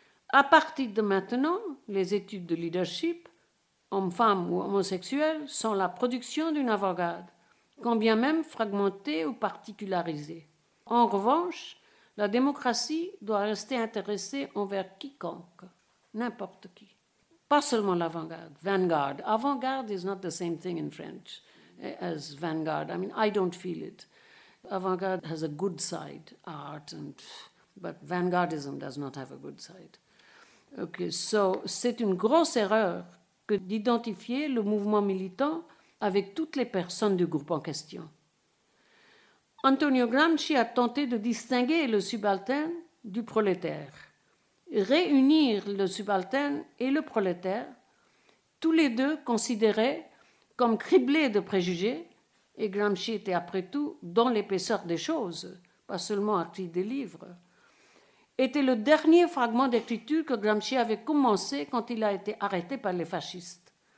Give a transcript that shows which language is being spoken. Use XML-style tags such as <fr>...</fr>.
<fr>À partir de maintenant, les études de leadership, hommes-femmes ou homosexuels, sont la production d'une avant-garde, quand bien même fragmentée ou particularisée. En revanche, La démocratie doit rester intéressée envers quiconque, n'importe qui. Pas seulement l'avant-garde, vanguard.</fr> <en>Avant-garde is not the same thing in French as vanguard. I mean, I don't feel it. Avant-garde has a good side, art, and but vanguardism does not have a good side.</en> <fr>Okay, so c'est une grosse erreur que d'identifier le mouvement militant avec toutes les personnes du groupe en question. Antonio Gramsci a tenté de distinguer le subalterne du prolétaire. Réunir le subalterne et le prolétaire, tous les deux considérés comme criblés de préjugés, et Gramsci était après tout dans l'épaisseur des choses, pas seulement écrit des livres, était le dernier fragment d'écriture que Gramsci avait commencé quand il a été arrêté par les fascistes.</fr>